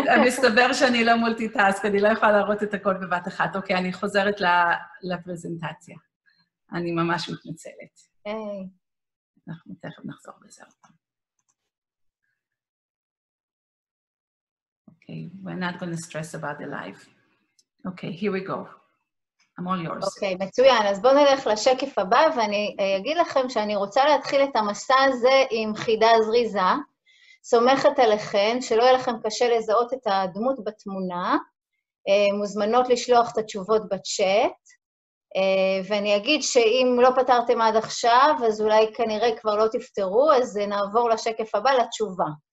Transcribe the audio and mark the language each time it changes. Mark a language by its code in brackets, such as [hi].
[he] מסתבר שאני לא מולטיטאסק, אני לא יכולה להראות את הכל בבת אחת. אוקיי, אני חוזרת לפרזנטציה. אני ממש מתנצלת. אנחנו תכף נחזור בזה עוד פעם. [en] we're not going to stress about the live. Okay, here we go. I'm all yours. [he] אוקיי, מצוין. אז בואו נלך לשקף הבא, ואני אגיד לכם שאני רוצה להתחיל את המסע הזה עם חידה זריזה. סומכת עליכן, שלא יהיה לכם קשה לזהות את הדמות בתמונה, מוזמנות לשלוח את התשובות בצ'אט, ואני אגיד שאם לא פתרתם עד עכשיו, אז אולי כנראה כבר לא תפתרו, אז נעבור לשקף הבא, לתשובה.